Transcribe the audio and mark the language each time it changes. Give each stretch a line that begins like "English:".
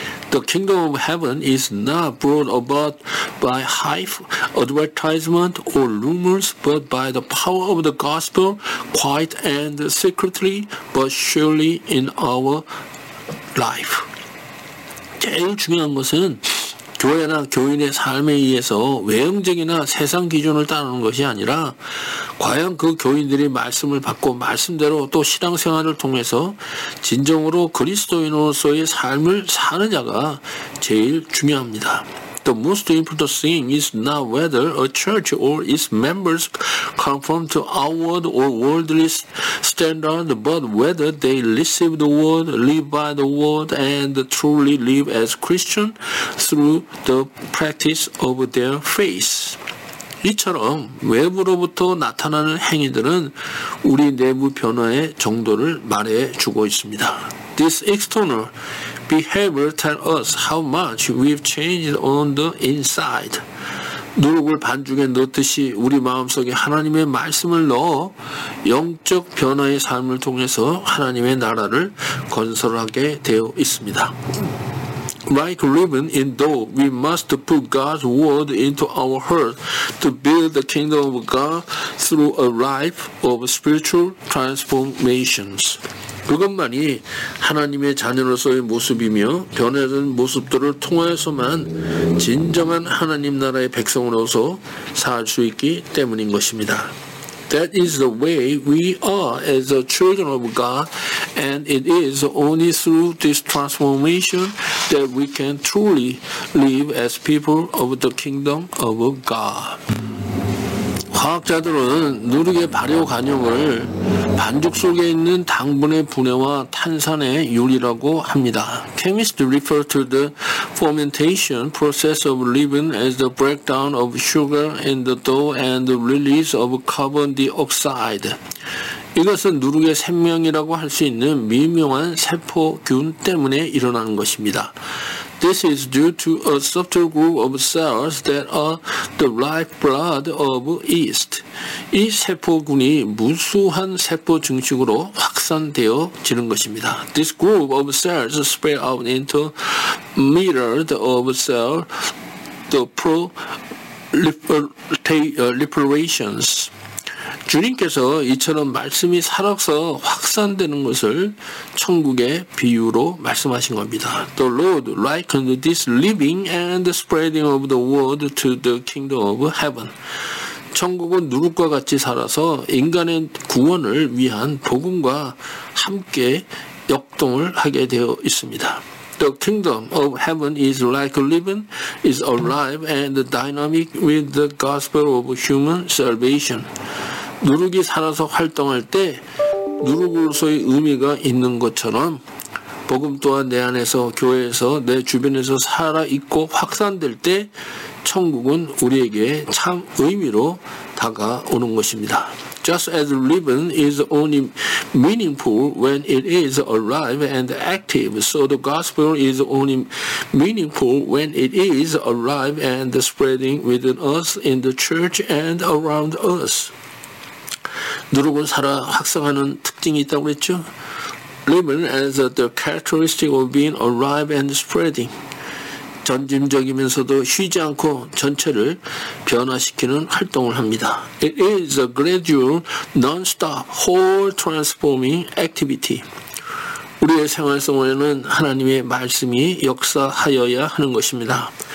English: The kingdom of heaven is not brought about by hype, advertisement, or rumors, but by the power of the gospel, quiet and secretly, but surely in our life.
Korean: 제일 중요한 것은 교회나 교인의 삶에 의해서 외형적이나 세상 기준을 따르는 것이 아니라 과연 그 교인들이 말씀을 받고 말씀대로 또 신앙생활을 통해서 진정으로 그리스도인으로서의 삶을 사는 자가 제일 중요합니다.
English: The most important thing is not whether a church or its members conform to outward or worldly standard, but whether they receive the word, live by the word, and truly live as Christian through the practice of their faith.
Korean: 이처럼 외부로부터 나타나는 행위들은 우리 내부 변화의 정도를 말해주고 있습니다.
English: This external behavior tells us how much we've changed on the inside.
Korean: 누룩을 반죽에 넣듯이 우리 마음속에 하나님의 말씀을 넣어 영적 변화의 삶을 통해서 하나님의 나라를 건설하게 되어 있습니다.
English: Like leaven in dough, we must put God's word into our heart to build the kingdom of God through a life of spiritual transformations.
Korean: 그것만이 하나님의 자녀로서의 모습이며 변화된 모습들을 통해서만 진정한 하나님 나라의 백성으로서 살 수 있기 때문인 것입니다.
English: That is the way we are as the children of God, and it is only through this transformation that we can truly live as people of the kingdom of God.
Korean: 과학자들은 누룩의 발효 과정을 반죽 속에 있는 당분의 분해와 탄산의 유리라고 합니다.
English: Chemists refer to the fermentation process of leaven as the breakdown of sugar in the dough and the release of carbon dioxide.
Korean: 이것은 누룩의 생명이라고 할 수 있는 미묘한 세포균 때문에 일어나는 것입니다.
English: This is due to a subtle group of cells that are the lifeblood of yeast.
Korean: 이 세포군이 무수한 세포 증식으로 확산되어지는 것입니다.
English: This group of cells spread out into myriad of cells, the proliferations.
Korean: 주님께서 이처럼 말씀이 살아서 확산되는 것을 천국의 비유로 말씀하신 겁니다.
English: The Lord likened this living and spreading of the word to the kingdom of heaven.
Korean: 천국은 누룩과 같이 살아서 인간의 구원을 위한 복음과 함께 역동을 하게 되어 있습니다.
English: The kingdom of heaven is like living, is alive and dynamic with the gospel of human salvation.
Korean: 누룩이 살아서 활동할 때 누룩으로서의 의미가 있는 것처럼 복음 또한 내 안에서 교회에서 내 주변에서 살아있고 확산될 때 천국은 우리에게 참 의미로 다가오는 것입니다.
English: Just as living is only meaningful when it is alive and active, so the gospel is only meaningful when it is alive and spreading within us in the church and around us.
Korean: 누룩은 살아 확성하는 특징이 있다고 했죠?
English: Living as the characteristic of being alive and spreading.
Korean: 전진적이면서도 쉬지 않고 전체를 변화시키는 활동을 합니다.
English: It is a gradual, non-stop, whole transforming activity.
Korean: 우리의 생활 속에는 하나님의 말씀이 역사하여야 하는 것입니다.